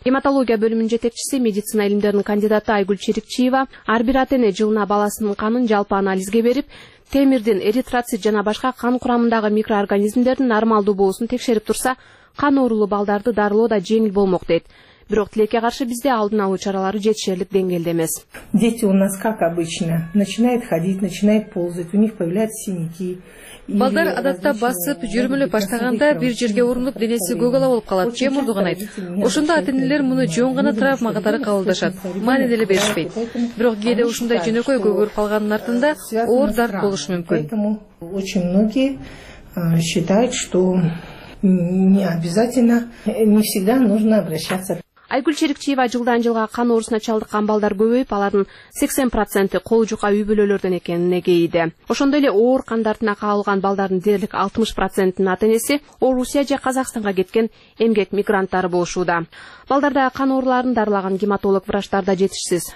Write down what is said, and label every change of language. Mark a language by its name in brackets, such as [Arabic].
[Kyrgyz] Гематология бөлүмүнүн жетекчиси, медицина илимдеринин кандидаты Айгүл Черикчиева ар бир ата эне жылына баласынын канын жалпы анализге берип, темирдин, эритроцит жана башка кан курамындагы микроорганизмдердин нормалдуу болуусун текшерип турса, кан оорулуу балдарды дарылоо да жеңил болмок дейт. Бирок тилекке каршы бизде алдын алуу чаралары жетишерлик деңгээлде эмес. [Russian] Дети у нас как обычно, начинают ходить, начинают ползать, у них появляются синяки. [Kyrgyz] Балдар адатта басып, жүрмөлөп баштаганда бир жерге урунуп, денеси көк ала болуп калат, чем урдуганайт. Ошондо ата-энелер муну жөн гана травма катары кабылдашат, маани деле беришпейт. Бирок кээде ушундай жөнөкөй көгөрүп калганын артында оор дарт болушу мүмкүн. [Russian] Очень многие считают, что не обязательно, не всегда нужно обращаться. [Kyrgyz] Айгүл Черикчиева жылдан жылга кан оорусуна чалдыккан балдар көбөйүп, алардын 80% кол жука үй бүлөлөрдөн экенин эгейиде. Ошондой эле оор кан дартына кабылган балдардын дээрлик 60%нын ата энеси Орусия же Казакстанга кеткен эмгек мигранттары болушууда. Балдардагы кан ооруларын дарылаган гематолог врачтар да жетишсиз.